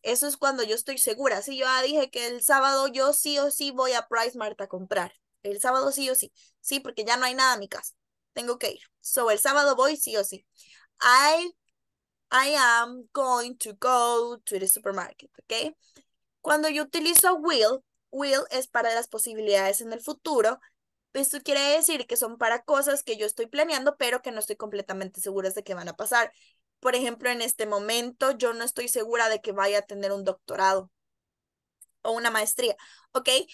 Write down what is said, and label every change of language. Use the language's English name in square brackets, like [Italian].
[Spanish] Eso es cuando yo estoy segura. Sí, yo ya dije que el sábado yo sí o sí voy a Price Mart a comprar. El sábado sí o sí. Sí, porque ya no hay nada en mi casa. Tengo que ir. So, el sábado voy sí o sí. [English] I am going to go to the supermarket, okay? [Spanish] Cuando yo utilizo will es para las posibilidades en el futuro. Esto quiere decir que son para cosas que yo estoy planeando, pero que no estoy completamente segura de que van a pasar. Por ejemplo, en este momento, yo no estoy segura de que vaya a tener un doctorado o una maestría, ¿ok?